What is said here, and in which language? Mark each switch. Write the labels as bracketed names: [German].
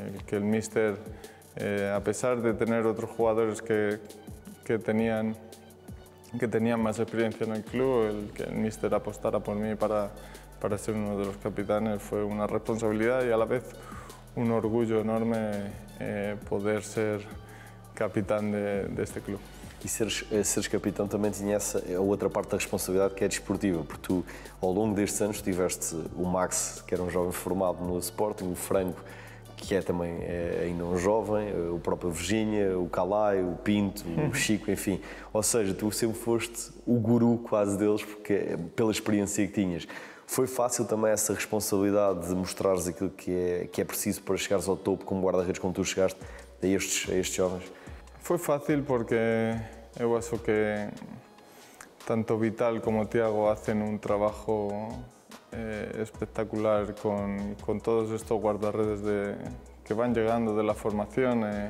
[Spanish] Que el míster, a pesar de tener otros jugadores que tenían más experiencia en el club, que el míster apostara por mí para ser uno de los capitanes, fue una responsabilidad y a la vez un orgullo enorme poder ser capitán de este club. [Portuguese] E seres capitão também tinha essa outra parte da responsabilidade, que é desportiva, porque tu, ao longo destes anos, tiveste o Max, que era um jovem formado no Sporting, o Franco, que é também ainda um jovem, o próprio Virgínia, o Calai, o Pinto, o Chico, enfim. Ou seja, tu sempre foste o guru quase deles, porque pela experiência que tinhas. Foi fácil também essa responsabilidade de mostrares aquilo que é preciso para chegares ao topo como guarda-redes, como tu chegaste a estes jovens? [Spanish] Fue fácil porque yo creo que tanto Vital como Thiago hacen un trabajo espectacular con todos estos guardarredes que van llegando de la formación.